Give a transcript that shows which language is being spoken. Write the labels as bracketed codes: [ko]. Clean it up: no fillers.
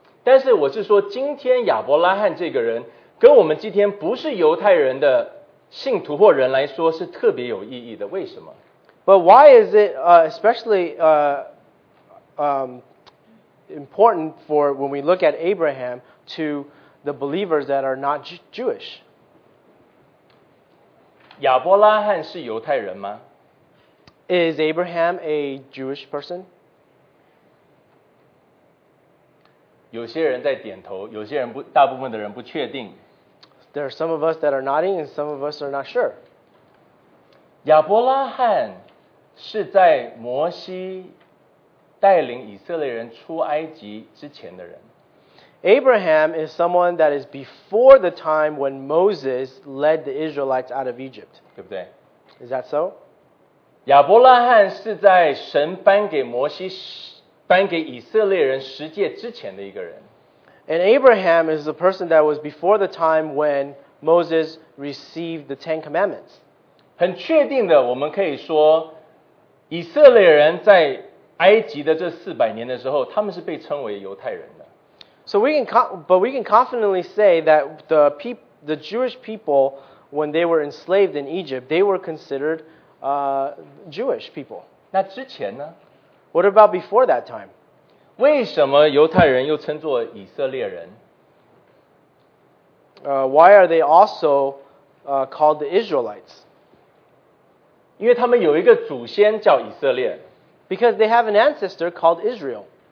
[zh] 但是我是说，今天亚伯拉罕这个人跟我们今天不是犹太人的信徒或人来说是特别有意义的。为什么？ [en] But why is it especially important for when we look at Abraham to the believers that are not Jewish? [zh] 亚伯拉罕是犹太人吗？ [en] Is Abraham a Jewish person? [zh] 有些人在点头，有些人不，大部分的人不确定。 [en] There are some of us that are nodding, and some of us are not sure. [zh] 亚伯拉罕是在摩西带领以色列人出埃及之前的人。 [en] Abraham is someone that is before the time when Moses led the Israelites out of Egypt. [zh] 对不对？ [en] Is that so? [zh] 亚伯拉罕是在神颁给摩西颁给以色列人十诫之前的一个人。 [en] And Abraham is the person that was before the time when Moses received the Ten Commandments. [zh] 很确定的，我们可以说，以色列人在埃及的这四百年的时候，他们是被称为犹太人的。 [en] So we can confidently say that the Jewish people, when they were enslaved in Egypt, they were considered Jewish people. [zh] 那之前呢？ [en] What about before that time? [zh] 为什么犹太人又称作以色列人？ [en] Why are they also called the Israelites? [zh] 因为他们有一个祖先叫以色列。 [en] Because they have an ancestor called Israel.